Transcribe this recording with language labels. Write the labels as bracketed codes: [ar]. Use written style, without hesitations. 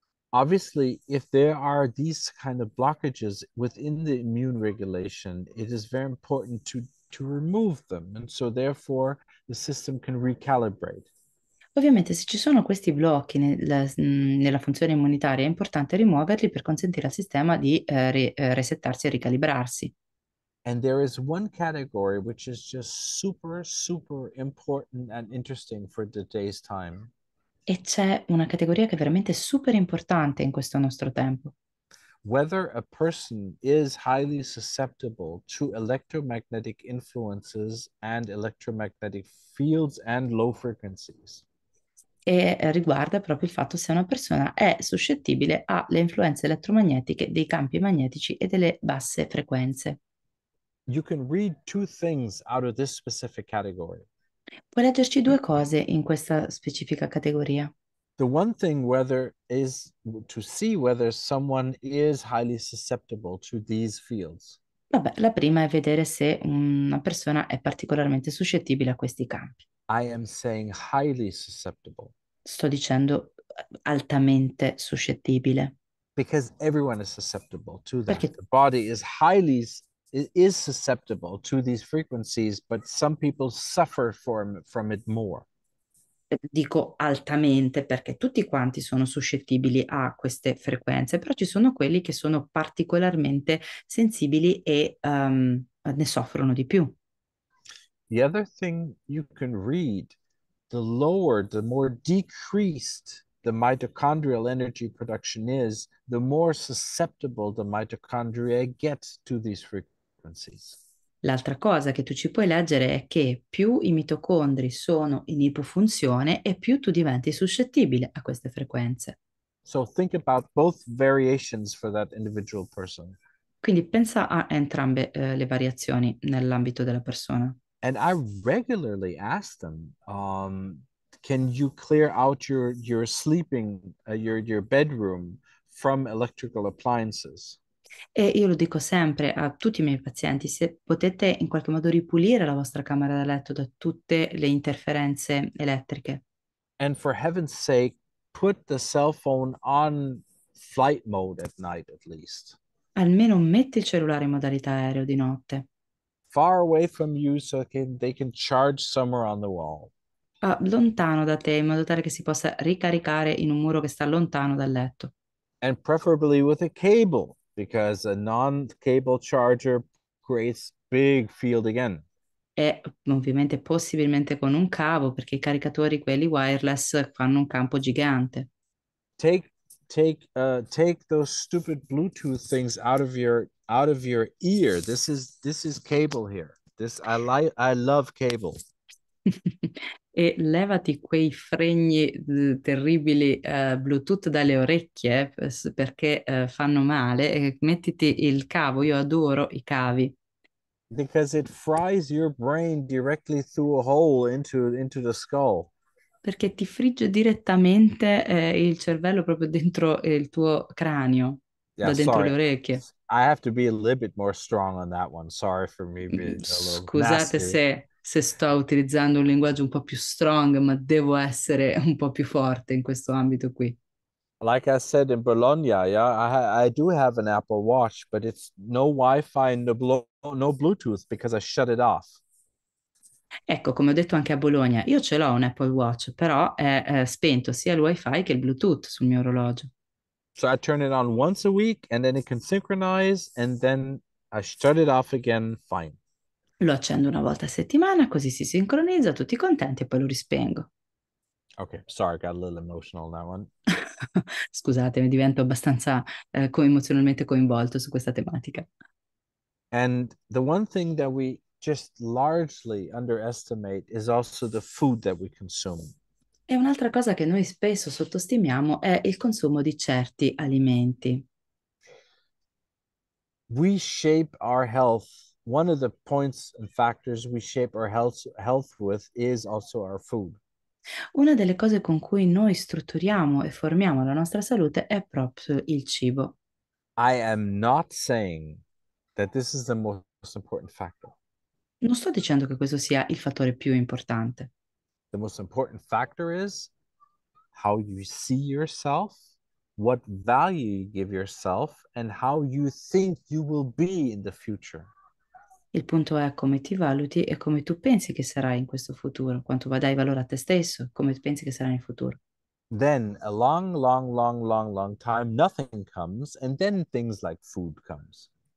[en] Obviously, if there are these kind of blockages within the immune regulation, it is very important to remove them, and so therefore the system can recalibrate. [it] Ovviamente, se ci sono questi blocchi nella funzione immunitaria, è importante rimuoverli per consentire al sistema di resettarsi e ricalibrarsi. [en] And there is one category which is just super, super important and interesting for today's time. [it] E c'è una categoria che è veramente super importante in questo nostro tempo. [en] Whether a person is highly susceptible to electromagnetic influences and electromagnetic fields and low frequencies. [it] E riguarda proprio il fatto se una persona è suscettibile alle influenze elettromagnetiche dei campi magnetici e delle basse frequenze. [en] You can read two things out of this specific category. [it] Puoi leggerci due cose in questa specifica categoria? [en] The one thing whether is to see whether someone is highly susceptible to these fields. [it] Vabbè, la prima è vedere se una persona è particolarmente suscettibile a questi campi. [en] I am saying highly susceptible. [it] Sto dicendo altamente suscettibile. [en] Because everyone is susceptible to that. [it] Perché? [en] The body is highly is susceptible to these frequencies, but some people suffer from it more. [it] Dico altamente perché tutti quanti sono suscettibili a queste frequenze, però ci sono quelli che sono particolarmente sensibili e ne soffrono di più. [en] The other thing you can read, the lower, the more decreased the mitochondrial energy production is, the more susceptible the mitochondria get to these frequencies. [it] L'altra cosa che tu ci puoi leggere è che più i mitocondri sono in ipofunzione e più tu diventi suscettibile a queste frequenze. [en] So think about both variations for that individual person. [it] Quindi pensa a entrambe le variazioni nell'ambito della persona. [en] And I regularly ask them, can you clear out your sleeping, your bedroom from electrical appliances? [it] E io lo dico sempre a tutti i miei pazienti, se potete in qualche modo ripulire la vostra camera da letto da tutte le interferenze elettriche. [en] And for heaven's sake, put the cell phone on flight mode at night at least. [it] Almeno metti il cellulare in modalità aereo di notte. [en] Far away from you so they can charge somewhere on the wall. [it] Lontano da te in modo tale che si possa ricaricare in un muro che sta lontano dal letto. [en] And preferably with a cable, because a non-cable charger creates big field again. [it] E ovviamente possibilmente con un cavo, perché i caricatori quelli wireless fanno un campo gigante. [en] Take those stupid Bluetooth things out of your ear. This is cable here. I love cable. [it] E levati quei fregni terribili Bluetooth dalle orecchie perché fanno male. E mettiti il cavo, io adoro i cavi. [en] Because it fries your brain directly through a hole into the skull. [it] Perché ti frigge direttamente il cervello proprio dentro il tuo cranio, yeah, da dentro [en] sorry. [it] Le orecchie. [en] I have to be a little bit more strong on that one. Sorry for me being a little nasty. [it] Scusate se sto utilizzando un linguaggio un po' più strong, ma devo essere un po' più forte in questo ambito qui. [en] Like I said in Bologna, yeah, I do have an Apple Watch, but it's no Wi-Fi and no Bluetooth because I shut it off. [it] Ecco, come ho detto anche a Bologna, io ce l'ho un Apple Watch, però è spento sia il Wi-Fi che il Bluetooth sul mio orologio. [en] So I turn it on once a week and then it can synchronize and then I shut it off again, fine. [it] Lo accendo una volta a settimana, così si sincronizza, tutti contenti e poi lo rispengo. [en] Okay, sorry, I got a little emotional on that one. [it] Scusate, mi divento abbastanza emozionalmente coinvolto su questa tematica. [en] And the one thing that we just largely underestimate is also the food that we consume. [it] E un'altra cosa che noi spesso sottostimiamo è il consumo di certi alimenti. [en] We shape our health. One of the points and factors we shape our health with is also our food. [it] Una delle cose con cui noi strutturiamo e formiamo la nostra salute è proprio il cibo. [en] I am not saying that this is the most important factor. [it] Non sto dicendo che questo sia il fattore più importante. [en] The most important factor is how you see yourself, what value you give yourself, and how you think you will be in the future. [it] Il punto è come ti valuti e come tu pensi che sarai in questo futuro, quanto dai valore a te stesso, come pensi che sarai in futuro. [en] Then a long, long, long, long, long time, nothing comes, and then things like food comes.